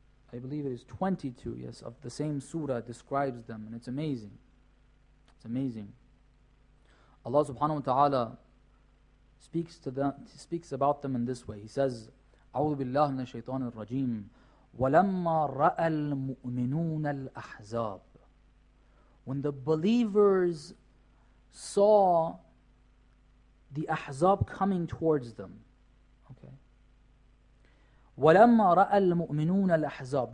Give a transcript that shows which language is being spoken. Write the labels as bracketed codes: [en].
[en] Verse, I believe it is 22, yes, of the same surah describes them. And it's amazing. It's amazing. Allah subhanahu wa ta'ala speaks to them, speaks about them in this way. He says, [ar] أعوذ بالله من الشيطان الرجيم. وَلَمَّا رَأَى الْمُؤْمِنُونَ الْأَحْزَابِ. [en] When the believers saw the Ahzab coming towards them. Okay. [ar] وَلَمَّا رَأَى الْمُؤْمِنُونَ الْأَحْزَابِ.